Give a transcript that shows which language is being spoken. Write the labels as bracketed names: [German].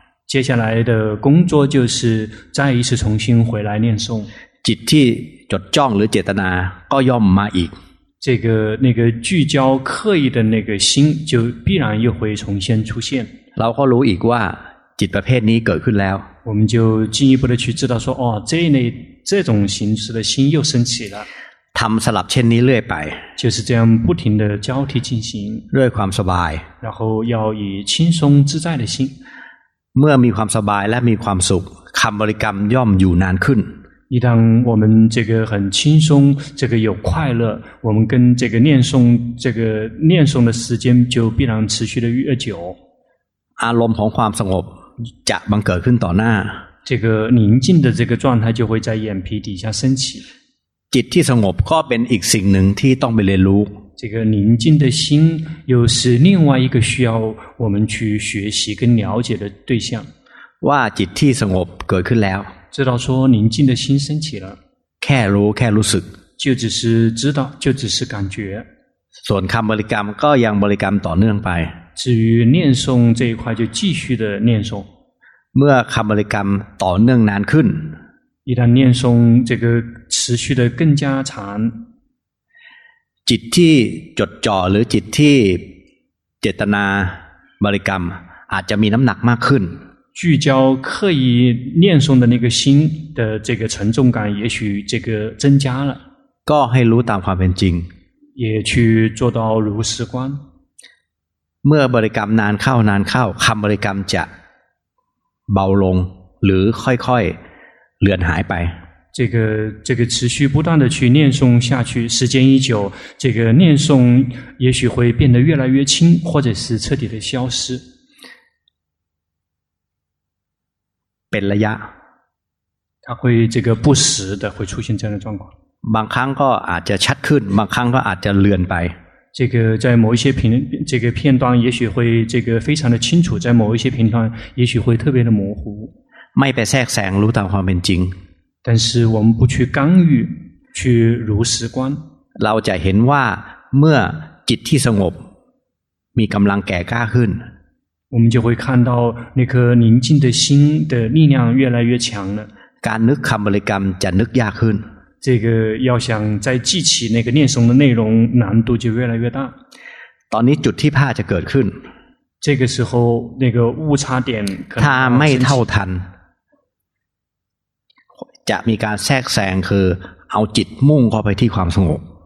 [Chinese] 接下来的工作就是再一次重新回来念诵 [Thai] จิตที่จดจ้องหรือเจตนาก็ย่อมมาอีก [Chinese] 这个那个聚焦刻意的那个心就必然又会重新出现 [Thai] เราก็รู้อีกว่าจิตประเภทนี้เกิดขึ้นแล้ว [Chinese] 我们就进一步的去知道说哦这一类这种形式的心又升起了 [Thai] ทำสลับเช่นนี้เรื่อยไป [Chinese] 就是这样不停的交替进行 [Thai] ด้วยความสบาย [Chinese] 然后要以轻松自在的心 [Thai] เมื่อมีความสบายและมีความสุขคำบริกรรมย่อมอยู่นานขึ้น [Chinese] 一旦我们这个很轻松这个有快乐我们跟这个念诵这个念诵的时间就必然持续的越久 [Thai] อารมณ์ของความสงบจะบังเกิดขึ้นต่อหน้า [Chinese] 这个宁静的这个状态就会在眼皮底下升起 [Thai] จิตที่สงบก็เป็นอีกสิ่งหนึ่งที่ต้องไปเรียนรู้ [Chinese] 这个宁静的心又是另外一个需要我们去学习跟了解的对象 [Thai] ว่าจิตที่สงบเกิดขึ้นแล้ว [Chinese] 知道说宁静的心升起了 [Thai] แค่รู้แค่รู้สึก [Chinese] 就只是知道就只是感觉 [Thai] ส่วนคำบริกรรมก็ยังบริกรรมต่อเนื่องไป [Chinese] 至于念诵这一块就继续的念诵 [Thai] เมื่อคำบริกรรมต่อเนื่องนานขึ้น [Chinese] 一旦念诵这个持续的更加长 [Thai] จิตที่จดจ่อหรือจิตที่เจตนาบริกรรมอาจจะมีน้ำหนักมากขึ้น [Chinese] 聚焦刻意念诵的那个心的这个沉重感也许这个增加了 [Thai] ก็ให้รู้ตามความเป็นจริง [Chinese] 也去做到如实观 [Thai] เมื่อบริกรรมนานเข้านานเข้าคำบริกรรมจะเบาลงหรือค่อยๆเลือนหายไป [Chinese] 这个持续不断的去念诵下去，时间一久，这个念诵也许会变得越来越轻，或者是彻底的消失。变了呀，它会这个不时的会出现这样的状况。 [Thai] บางครั้งก็อาจจะชัดขึ้น，บางครั้งก็อาจจะเลือนไป。 [Chinese] 这个在某一些这个片段，也许会这个非常的清楚，在某一些片段，也许会特别的模糊。 [Thai] ไม่ไปแทรกแซงรู้ตามความเป็นจริง。 [Chinese] 但是我们不去干预，去如实观。 [Thai] เราจะเห็นว่าเมื่อจิตที่สงบมีกำลังแก่กล้าขึ้น， [Chinese] 我们就会看到那颗宁静的心的力量越来越强了。 [Thai] การนึกคำบริกรรมจะนึกยากขึ้น。 [Chinese] 这个要想再记起那个念诵的内容，难度就越来越大。 [Thai] ตอนนี้จุดที่ผ้าจะเกิดขึ้น [Chinese] 这个时候那个误差点 [Thai] ถ้าไม่เท่าทันจะมีการแทรกแซงคือเอาจิตมุ่งเข้าไปที่ความสงบ